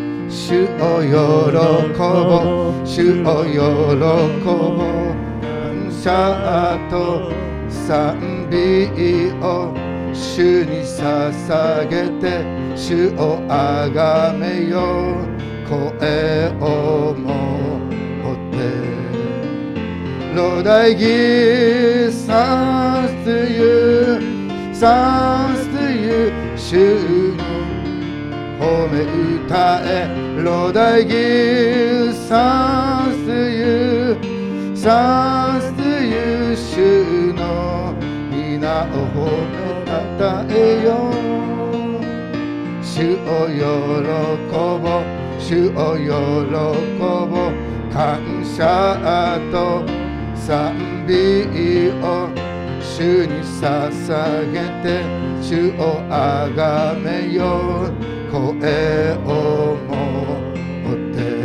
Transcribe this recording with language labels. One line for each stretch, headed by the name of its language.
Japanese: 主を喜ぼ、主を喜ぼ、感謝と賛美を主に捧げて、主をあがめよ、声をもって。
English: Lord, I give thanks to you, thanks to you,
Japanese: 主に褒め歌え。
English: Lord, I give thanks to you, thanks to you,
Japanese: 主の皆を褒めたたえよ。主を喜ぼ、主を喜ぼ、感謝と賛美を主に捧げて、主をあがめよ、声をもって。